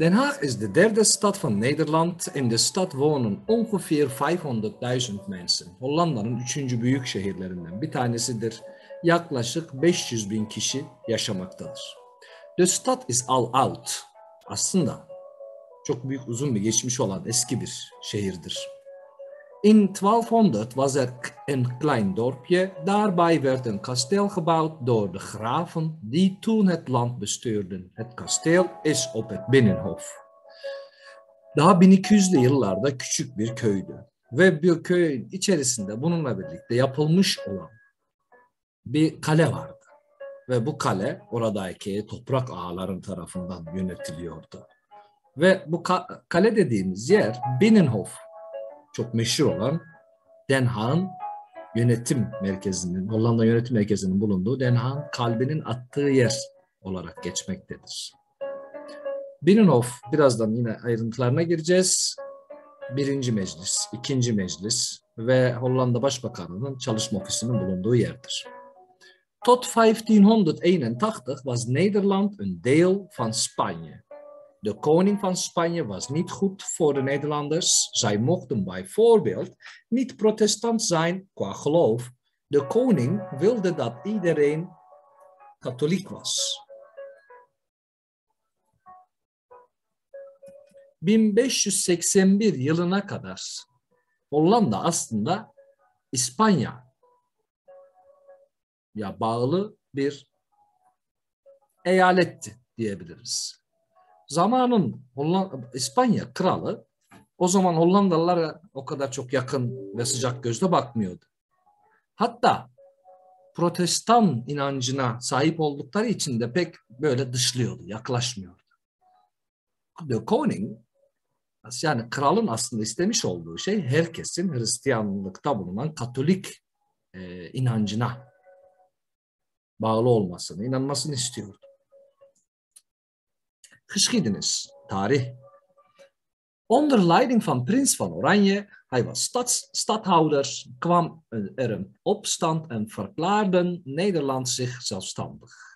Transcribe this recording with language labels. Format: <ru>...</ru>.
<nl>Den Haag is de derde stad van Nederland. In de stad wonen ongeveer 500.000 mensen.</nl> <tr>Hollanda'nın üçüncü büyük şehirlerinden bir tanesidir. Yaklaşık 500 bin kişi yaşamaktadır.</tr> <nl>De stad is al oud.</nl> <tr>Aslında çok büyük uzun bir geçmiş olan eski bir şehirdir.</tr> <nl>In 1200 was er een klein dorpje. Daarbij werd een kasteel gebouwd door de graven die toen het land bestuurden. Het kasteel is op het binnenhof.</nl> <tr>Daha 1200'lü yıllarda küçük bir köydü. Ve bir köyün içerisinde bununla birlikte yapılmış olan bir kale vardı. Ve bu kale oradaki toprak ağaların tarafından yönetiliyordu. Ve bu kale dediğimiz yer Binnenhof. Çok meşhur olan Den Haag'ın yönetim merkezinin, Hollanda yönetim merkezinin bulunduğu Den Haag'ın kalbinin attığı yer olarak geçmektedir. Binnenhof, birazdan yine ayrıntılarına gireceğiz. Birinci meclis, ikinci meclis ve Hollanda Başbakanı'nın çalışma ofisinin bulunduğu yerdir.</tr> <nl>Tot 1581 was Nederland een deel van Spanje. De koning van Spanje was niet goed voor de Nederlanders. Zij mochten bijvoorbeeld niet protestant zijn qua geloof. De koning wilde dat iedereen katholiek was.</nl> <tr>1581 yılına kadar Hollanda aslında İspanya'ya bağlı bir eyaletti diyebiliriz. Zamanın İspanya kralı o zaman Hollandalılara o kadar çok yakın ve sıcak gözle bakmıyordu. Hatta protestan inancına sahip oldukları için de pek böyle dışlıyordu, yaklaşmıyordu. De Koning, yani kralın aslında istemiş olduğu şey herkesin Hristiyanlıkta bulunan Katolik inancına bağlı olmasını, inanmasını istiyordu.</tr> <nl>Geschiedenis, tarih. Onder leiding van Prins van Oranje, hij was stadhouder, kwam er een opstand en verklaarde Nederland zich zelfstandig.</nl>